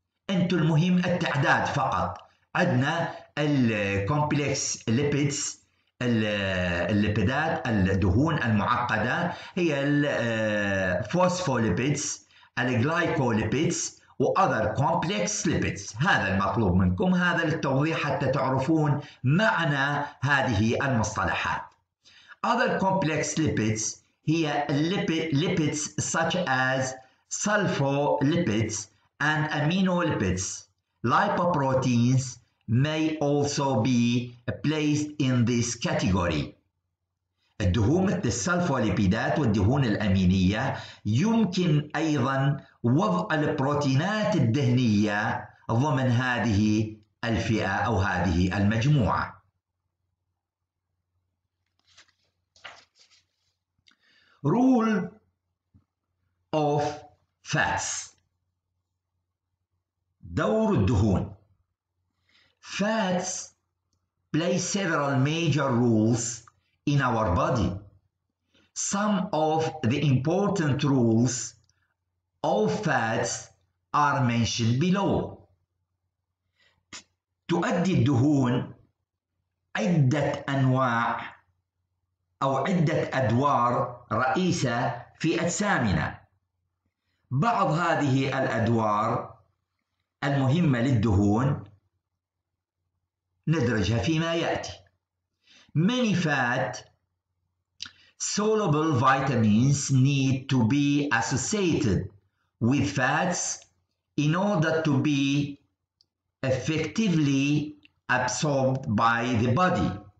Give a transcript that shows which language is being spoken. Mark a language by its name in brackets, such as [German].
[Arabic] أنتو المهم التعداد فقط. عندنا الكومبلكس ليبيدز الليبيدات الدهون المعقدة هي الفوسفوليبيدز الجلايكوليبيدز وأذر كومبلكس ليبيدز. هذا المطلوب منكم هذا للتوضيح حتى تعرفون معنى هذه المصطلحات. [English] Other complex lipids [Arabic] هي [English] lipids such as sulfolipids and aminolipids. Lipoproteins may also be placed in this category. [Arabic] الدهون مثل السلفوليبيدات والدهون الأمينية يمكن أيضا وضع البروتينات الدهنية ضمن هذه الفئة أو هذه المجموعة. [English] Rule of fats [Arabic] دور الدهون. [English] Fats play several major roles in our body. Some of the important rules of fats are mentioned below. [Arabic] تؤدي الدهون عدة أنواع أو عدة أدوار رئيسة في أجسامنا. بعض هذه الأدوار المهمة للدهون ندرجها فيما يأتي. [English] Many fat soluble vitamins need to be associated with fats in order to be effectively absorbed by the body.